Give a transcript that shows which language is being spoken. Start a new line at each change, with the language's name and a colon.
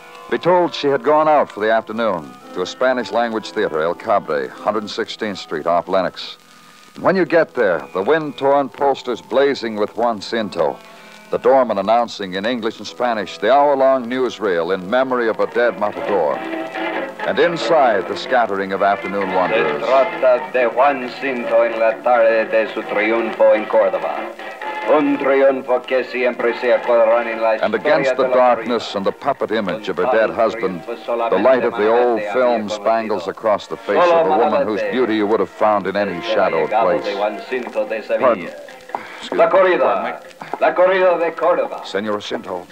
English: Be told she had gone out for the afternoon to a Spanish-language theater, El Cabre, 116th Street, off Lenox. And when you get there, the wind-torn posters blazing with Juan Cinto, the doorman announcing in English and Spanish the hour-long newsreel in memory of a dead matador. And inside, the scattering of afternoon wonders.
Spanish: Se trata de Juan Cinto en la tarde de su triunfo en Córdoba. Un triunfo que siempre se acordará en la.
English: And against the darkness and the puppet image of her dead husband, the light of the old film spangles across the face of a woman whose beauty you would have found in any shadowed place. Pardon. Excuse
Spanish: la corrida. Me. La corrida de Córdoba. Senora Cinto.